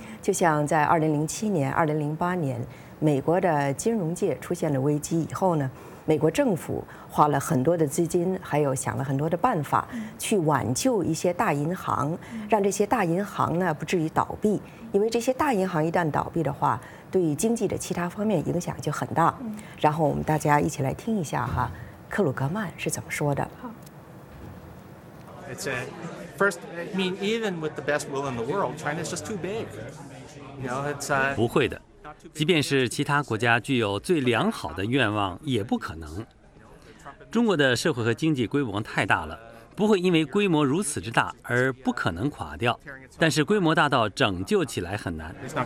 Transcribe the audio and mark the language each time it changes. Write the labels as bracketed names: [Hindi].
[Chinese] 就像在2007年、2008年。美国的金融界出现了危机以后呢，美国政府花了很多的资金，还有想了很多的办法去挽救一些大银行，让这些大银行呢不至于倒闭，因为这些大银行一旦倒闭的话，对于经济的其他方面影响就很大。然后我们大家一起来听一下哈，克鲁格曼是怎么说的。 [English] It's a first, I mean, even with the best will in the world, China's just too big. You know, it's a [Chinese] 不会的。即便是其他国家具有最良好的愿望也不可能。中国的社会和经济规模太大了，不会因为规模如此之大而不可能垮掉，但是规模大到拯救起来很难。